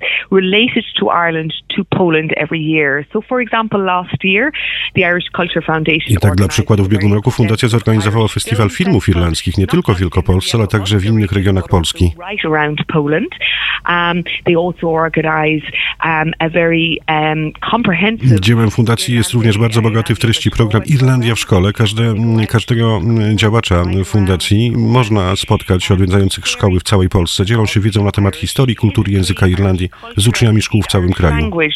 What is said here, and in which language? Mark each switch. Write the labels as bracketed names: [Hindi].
[English] Related to Ireland, to Poland every year. So for example, last year, the Irish Culture Foundation. [Polish] I tak dla przykładu, w ubiegłym roku fundacja zorganizowała festiwal filmów irlandzkich nie tylko w Wielkopolsce, ale także w innych regionach Polski. [English] Right around Poland. They also organize a very comprehensive. [Polish] Dziełem fundacji jest również bardzo bogaty w treści program Irlandia w szkole. Każdego działacza fundacji można spotkać, odwiedzających szkoły w całej Polsce. Dzielą się wiedzą na temat historii, kultury, języka Irlandii z uczniami szkół w całym kraju.